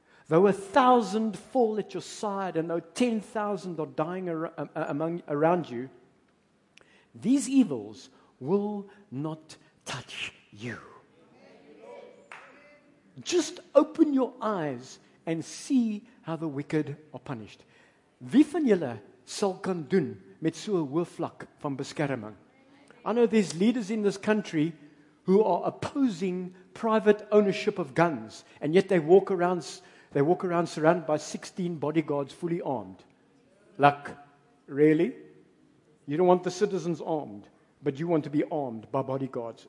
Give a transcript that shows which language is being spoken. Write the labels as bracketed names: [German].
[English] Though 1,000 fall at your side, and though 10,000 are dying around you, these evils will not touch you. Just open your eyes and see how the wicked are punished. [Afrikaans] Wie van julle sal kan doen met so 'n hoofvlak van beskerming? [English] I know there's leaders in this country who are opposing private ownership of guns, and yet they walk around surrounded by 16 bodyguards fully armed. Like, really? You don't want the citizens armed, but you want to be armed by bodyguards.